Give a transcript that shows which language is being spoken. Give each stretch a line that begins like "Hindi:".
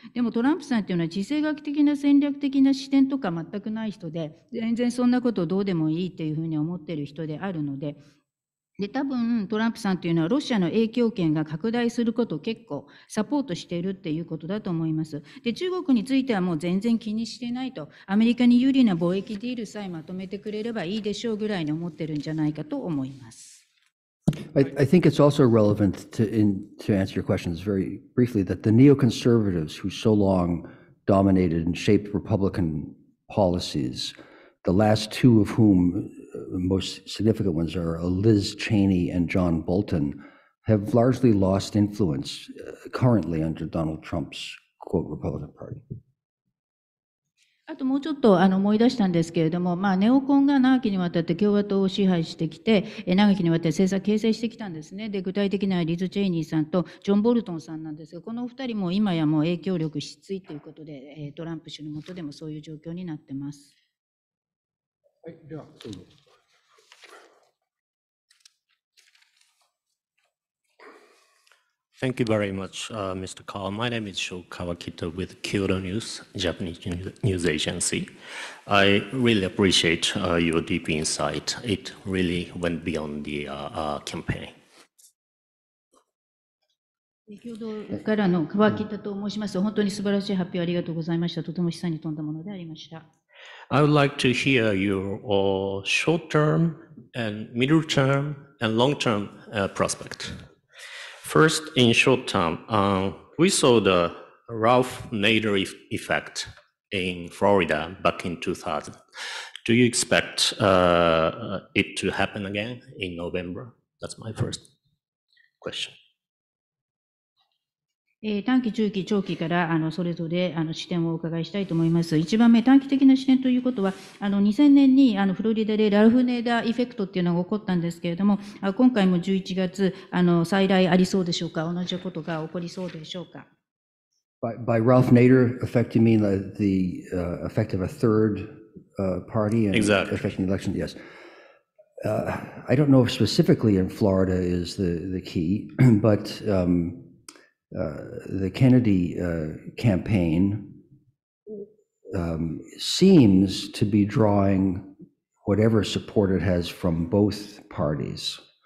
Japanese: でもトランプさんっていうのは地政学的な戦略的な視点とか全くない人で、全然そんなことどうでもいいっていうふうに思ってる人であるので、で多分トランプさんというのはロシアの影響圏が拡大することを結構サポートしているということだと思います。で中国についてはもう全然気にしてないと、アメリカに有利な貿易ディールさえまとめてくれればいいでしょうぐらいに思ってるんじゃないかと思います。
English: I think it's also relevant to answer your questions very briefly that the neoconservatives who so long dominated and shaped Republican policies, the last two of whom, most significant ones, are Liz Cheney and John Bolton, have largely lost influence currently under Donald Trump's quote Republican Party.
Japanese: あともうちょっとあの思い出したんですけれども、まあ、ネオコンが長きにわたって共和党を支配してきて、長きにわたって政策形成してきたんですね。で具体的にはリズ・チェイニーさんとジョン・ボルトンさんなんですが、このお二人も今やもう影響力失墜ということで、トランプ氏の下でもそういう状況になってます。はい、ではどうぞ。
English: Thank you very much, Mr. Carle. My name is Shokawa Kito with Kyoto News, Japanese news agency. I really appreciate your deep insight. It really went beyond the campaign.
Japanese: 共同からの川北と申します。本当に素晴らしい発表ありがとうございました。とても示唆に富んだものでありました。
English: I would like to hear your short-term and middle-term and long-term prospect. First, in short term, we saw the Ralph Nader effect in Florida back in 2000. Do you expect it to happen again in November? That's my first question.
Japanese: 短期、中期、長期からそれぞれ視点をお伺いしたいと思います。 1番目、短期的な視点ということは、2000年にフロリダでラルフネーダーエフェクトっていうのが起こったんですけれども、今回も11月再来ありそうでしょうか、同じことが起こりそうでしょうか。
English: By Ralph Nader effect, you mean the effect of a third party and exactly. affecting the election? Yes. I don't know if specifically in Florida is the key, but the Kennedy campaign seems to be drawing whatever support it has from both parties.